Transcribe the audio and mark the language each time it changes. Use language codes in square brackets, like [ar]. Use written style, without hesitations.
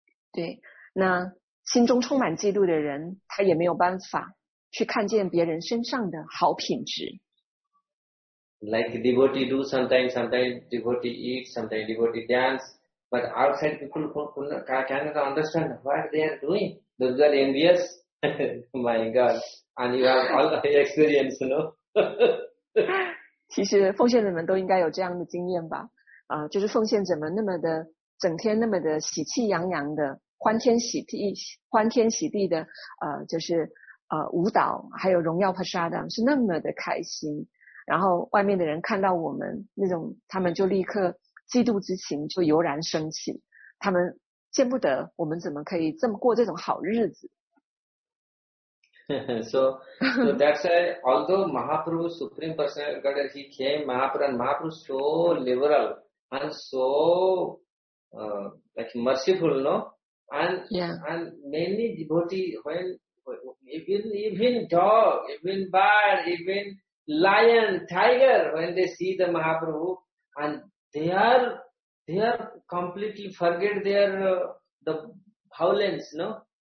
[zh] 对，那心中充满嫉妒的人，他也没有办法去看见别人身上的好品质。 [en] Like devotee do sometimes devotee eat, sometimes devotee dance, but outside people cannot understand what they are doing. Those are envious. My God. And you have all the experience, you know. [zh] 其实奉献者们都应该有这样的经验吧。就是奉献者们那么的整天那么的喜气洋洋的欢天喜地的就是舞蹈还有荣耀Prasada是那么的开心。然后外面的人看到我们那种，他们就立刻嫉妒之情就油然升起，他们见不得我们怎么可以这么过这种好日子。 [en] So that's why, although Mahaprabhu Supreme Personality God, he came Mahaprabhu and Mahaprabhu so liberal and so like merciful, no? And yeah. And many devotees when even dog, even bird, even lion, tiger, when they see the Mahaprabhu, and they are completely forget their, the howlings, no?